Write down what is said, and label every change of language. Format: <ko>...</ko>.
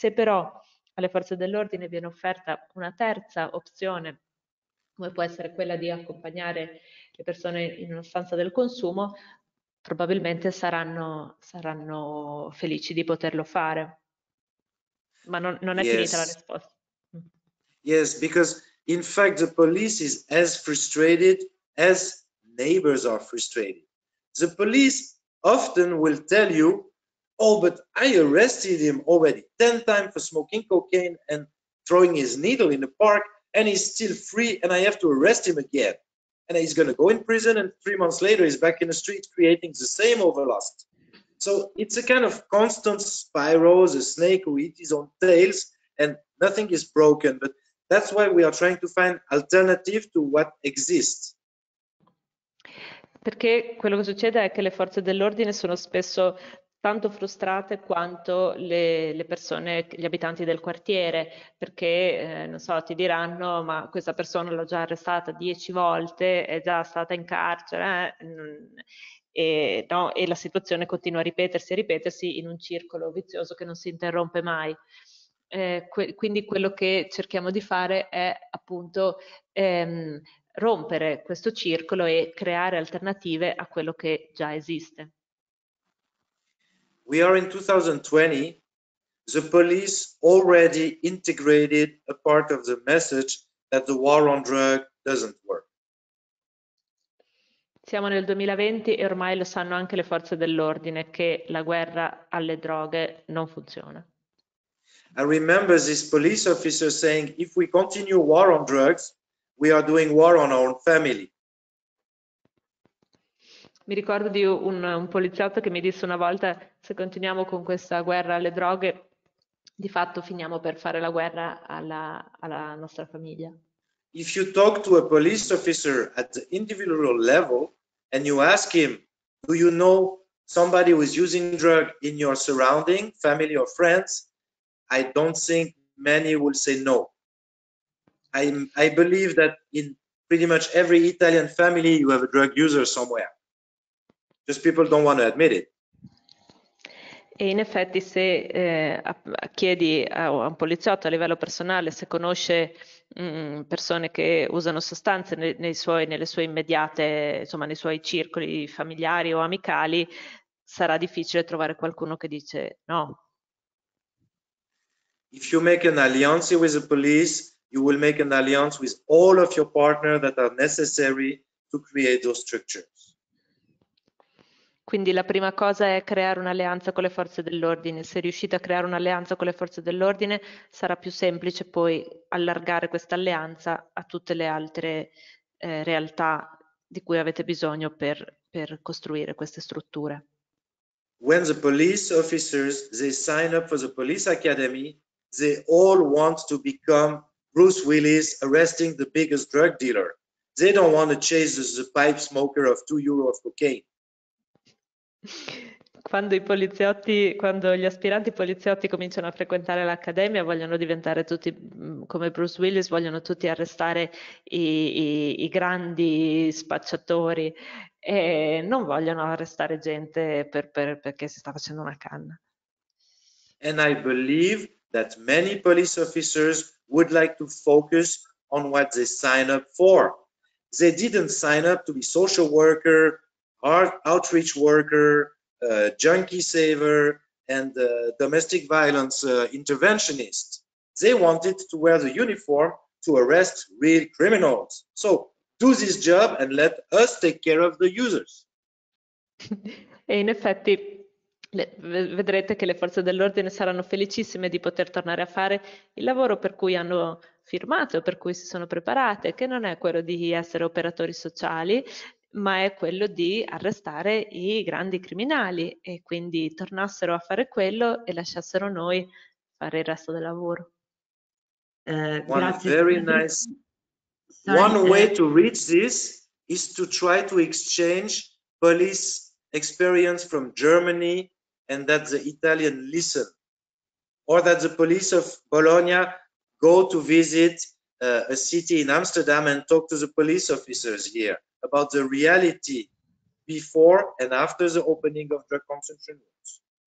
<it>Se però alle forze dell'ordine viene offerta una terza opzione, come può essere quella di accompagnare le persone in una stanza del consumo, probabilmente saranno felici di poterlo fare. Ma non è finita la</it> <en>Yes.</en> <it>risposta.</it> <en>Yes, because in fact the police is as frustrated as neighbors are frustrated. The police often will tell you, oh, but I arrested him already 10 times for smoking cocaine and throwing his needle in the park, and he's still free, and I have to arrest him again. And he's going to go in prison, and 3 months later, he's back in the street creating the same overlast. So it's a kind of constant spiral, a snake with its own tails, and nothing is broken. But that's why we are trying to find alternative to what exists.</en> <it>Perché quello che succede è che le forze dell'ordine sono spesso tanto frustrate quanto le persone, gli abitanti del quartiere, perché non so, ti diranno: ma questa persona l'ho già arrestata 10 volte, è già stata in carcere, e, no, e la situazione continua a ripetersi in un circolo vizioso che non si interrompe mai. Quindi quello che cerchiamo di fare è appunto rompere questo circolo e creare alternative a quello che già esiste.</it> <en>We are in 2020. The police already integrated a part of the message that the war on drugs doesn't work.</en> <it>Siamo nel 2020 e ormai lo sanno anche le forze dell'ordine che la guerra alle droghe non funziona.</it> <en>I remember this police officer saying, if we continue war on drugs, we are doing war on our family.</en> <it>Mi ricordo di un poliziotto che mi disse una volta: se continuiamo con questa guerra alle droghe, di fatto finiamo per fare la guerra alla nostra famiglia.</it> <en>If you talk to a police officer at the individual level and you ask him, do you know somebody who is using drug in your surrounding, family or friends? I don't think many will say no. I believe that in pretty much every Italian family you have a drug user somewhere. Just people don't want to admit it.</en> <it>E in effetti se chiedi a un poliziotto a livello personale se conosce persone che usano sostanze nelle sue immediate, insomma, nei suoi circoli familiari o amicali, sarà difficile trovare qualcuno che dice no.</it> <en>If you make an alliance with the police, you will make an alliance with all of your partners that are necessary to create those structures.</en> <it>Quindi la prima cosa è creare un'alleanza con le forze dell'ordine. Se riuscite a creare un'alleanza con le forze dell'ordine, sarà più semplice poi allargare questa alleanza a tutte le altre realtà di cui avete bisogno per costruire queste strutture.</it> <en>When the police officers, they sign up for the police academy, they all want to become Bruce Willis arresting the biggest drug dealer. They don't want to chase the pipe smoker of 2 euro of cocaine.</en> <it>Quando gli aspiranti poliziotti cominciano a frequentare l'accademia, vogliono diventare tutti come Bruce Willis, vogliono tutti arrestare i grandi spacciatori e non vogliono arrestare gente perché si sta facendo una canna.</it> <en>And I believe that many police officers would like to focus on what they sign up for. They didn't sign up to be social worker, outreach worker, junkie saver, and domestic violence interventionist. They wanted to wear the uniform to arrest real criminals. So do this job and let us take care of the users.</en> <it>E in effetti vedrete che le forze dell'ordine saranno felicissime di poter tornare a fare il lavoro per cui hanno firmato, per cui si sono preparate, che non è quello di essere operatori sociali, ma è quello di arrestare i grandi criminali, e quindi tornassero a fare quello e lasciassero noi fare il resto del lavoro.</it> <en>One very nice one way to reach this is to try to exchange police experience from Germany, and that the Italian listen, or that the police of Bologna go to visit a city in Amsterdam and talk to the police officers here about the reality before and after the opening of drug consumption rules.</en>